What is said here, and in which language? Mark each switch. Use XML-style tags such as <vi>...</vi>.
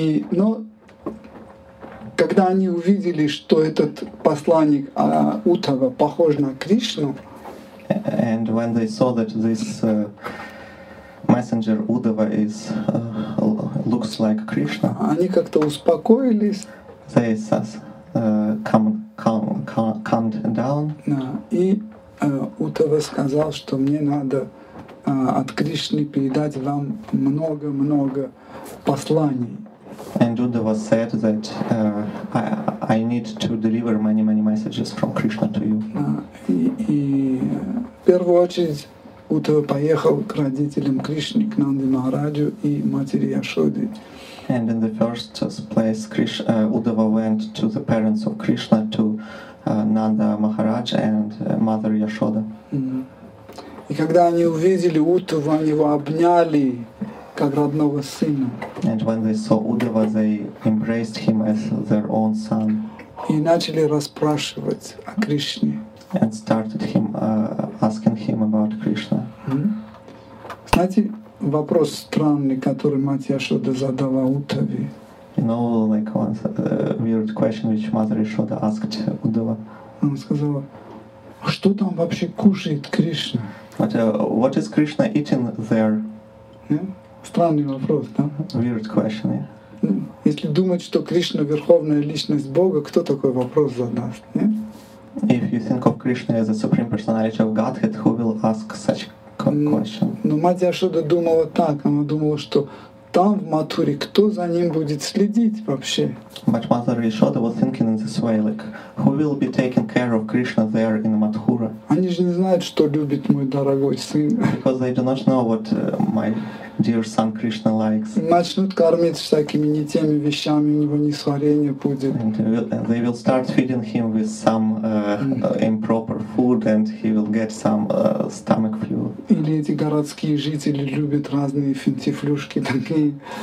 <ru>Но когда они увидели, что этот посланник Уттава похож на Кришну,</ru> <en>and when they saw that this messenger Uddhava is looks like Krishna,</en> <ru>они как-то успокоились.</ru> <en>They calmed down.</en> <ru>И Уттава сказал, что мне надо от Кришны передать вам много-много посланий.</ru> <en>And Uddhava said that I need to deliver many messages from Krishna to you.</en> <ru>И в первую очередь Уттава поехал к родителям Кришны, к Нанде Махараджу и матери Яшоды.</ru> <en>And in the first place, Uddhava went to the parents of Krishna, to Nanda Maharaj and mother Yashoda.</en> <ru>И когда они увидели Уттаву, они его обняли как родного сына.</ru> <en>And when they saw Uddhava, they embraced him as their own son.</en> <ru>И начали расспрашивать о Кришне.</ru> <en>And started him asking him about Krishna.</en> <ru>Знаете, вопрос странный, который мать Яшода задала Уттаве.</ru> <en>You know, like one weird question which mother Яшода asked Uddhava.</en> <ru>Она сказала, что там вообще кушает Кришна?</ru> <en>But what is Krishna eating there?</en> <ru>Странный вопрос, да?</ru> <en>Weird question, yeah.</en> <ru>Если думать, что Кришна — верховная личность Бога, кто такой вопрос задаст, не?</ru> <en>If you think of Krishna as the supreme personality of Godhead, who will ask such question?</en> <ru>Но мать Яшода думала так, она думала, что там, в матуре, кто за ним будет следить вообще?</ru> <en>But Mother Yashoda was thinking in this way, like, who will be taking care of Krishna there in Mathura?</en> <ru>Они же не знают, что любит мой дорогой сын.</ru> <en>Because they do not know what my dear son Krishna likes.</en> <ru>Начнут кормить всякими не теми вещами, у него несварение будет.</ru> <en>And they will start feeding him with some improper food, and he will get some stomach flu.</en> <ru>Или эти городские жители любят разные финтифлюшки такие.</ru>